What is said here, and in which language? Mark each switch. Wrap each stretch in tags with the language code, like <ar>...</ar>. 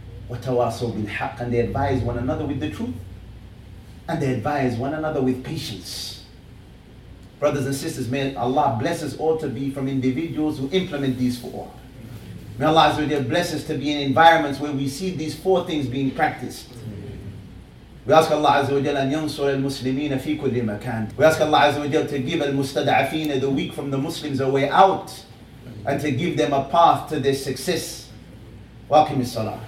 <ar>وتواصوا بالحق</ar> <en>and they advise one another with the truth. And they advise one another with patience. Brothers and sisters, may Allah bless us all to be from individuals who implement these four. May Allah</en> <ar>عز وجل</ar> <en>bless us to be in environments where we see these four things being practiced. We ask Allah</en> <ar>عز وجل أن ينصر المسلمين في كل مكان.</ar> <en>We ask Allah</en> <ar>عز وجل</ar> <en>to give المستضعفين the weak from the Muslims a way out and to give them a path to their success.</en> <ar>وأقم الصلاة.</ar>